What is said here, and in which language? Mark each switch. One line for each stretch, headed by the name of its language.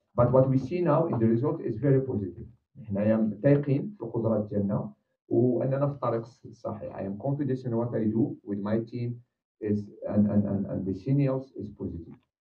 English: But what we see now in the result is very positive.
Arabic: احنا متيقين في القدرات ديالنا وأننا في الطريق الصحيح.
English: I am confident in what I do with my team is and the signals is positive.